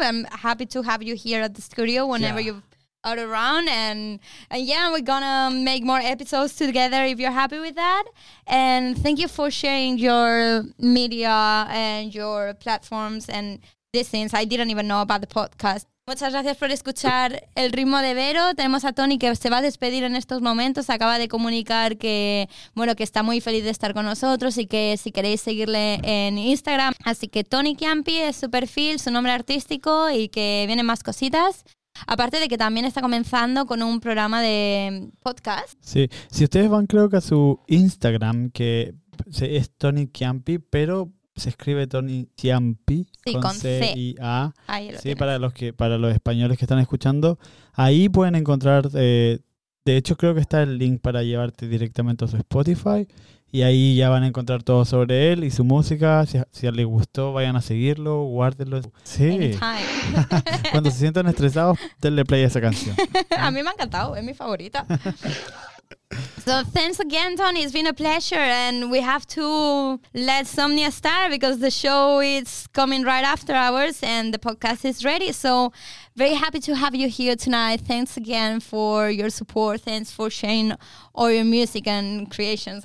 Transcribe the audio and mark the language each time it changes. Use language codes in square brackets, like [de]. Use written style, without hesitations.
[en] I'm happy to have you here at the studio whenever you're around. And we're going to make more episodes together if you're happy with that. And thank you for sharing your media and your platforms and these things. I didn't even know about the podcast. [es] Muchas gracias por escuchar el ritmo de Vero. Tenemos a Toni que se va a despedir en estos momentos. Acaba de comunicar que está muy feliz de estar con nosotros y que si queréis seguirle en Instagram. Así que Toni Ciampi es su perfil, su nombre artístico y que vienen más cositas. Aparte de que también está comenzando con un programa de podcast. Sí, si ustedes van creo que a su Instagram, que es Toni Ciampi, pero se escribe Toni Ciampi, sí, con C y A. Ahí lo tienes. para los españoles que están escuchando, ahí pueden encontrar, de hecho creo que está el link para llevarte directamente a su Spotify y ahí ya van a encontrar todo sobre él y su música. Si les gustó, vayan a seguirlo, guárdenlo. Sí. Cuando se sientan estresados, denle play a esa canción. A mí me ha encantado, es mi favorita. [en] So thanks again, Toni. It's been a pleasure, and we have to let Somnia start because the show is coming right after ours and the podcast is ready. So very happy to have you here tonight. Thanks again for your support. Thanks for sharing all your music and creations.